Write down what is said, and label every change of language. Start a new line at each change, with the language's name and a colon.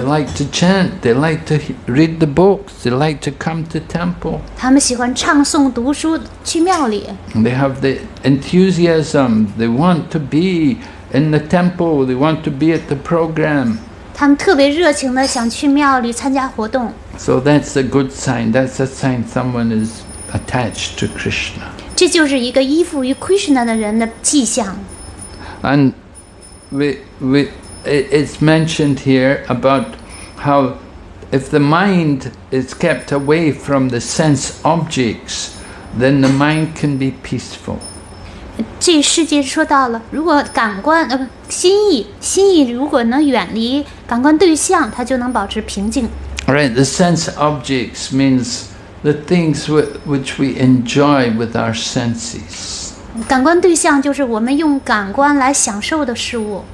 English: like to chant, they like to read the books, they like to come to temple.
Chinese: 他们喜欢唱诵、读书、去庙里。
English: They have the enthusiasm, they want to be in the temple, they want to be at the program.
Chinese: 他们特别热情地想去庙里参加活动。
English: So that's a good sign, that's a sign someone is attached to Krishna.
Chinese: 这就是一个依附于Krishna的人的迹象。
English: And it's mentioned here about how if the mind is kept away from the sense objects, then the mind can be peaceful.
Chinese: 这世界说到了，如果感官，心意，心意如果能远离感官对象，它就能保持平静。
English: Right, the sense objects means the things which we enjoy with our senses.
Chinese: 感官对象就是我们用感官来享受的事物。